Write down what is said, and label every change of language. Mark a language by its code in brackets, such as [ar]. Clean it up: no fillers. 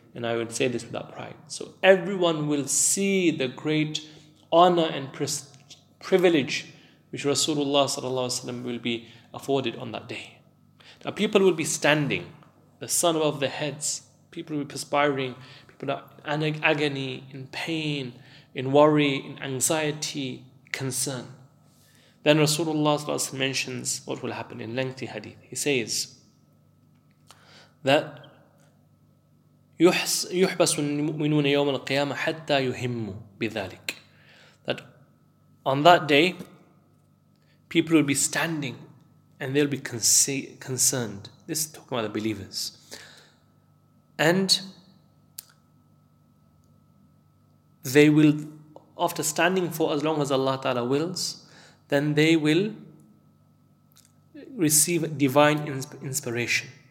[en] And I would say this without pride. So everyone will see the great honor and privilege which Rasulullah sallallahu alaihi wasallam will be afforded on that day. Now people will be standing, the sun above their heads, people will be perspiring, people are in agony, in pain, in worry, in anxiety, concern. Then Rasulullah mentions what will happen in lengthy hadith. He says that [ar] يُحْبَسُ الْمُؤْمِنُونَ يَوْمَ الْقِيَامَةِ حَتَّى يُهِمُّ بِذَلِكَ. [en] That on that day, people will be standing and they'll be concerned. This is talking about the believers. And they will, after standing for as long as Allah Ta'ala wills, then they will receive divine inspiration.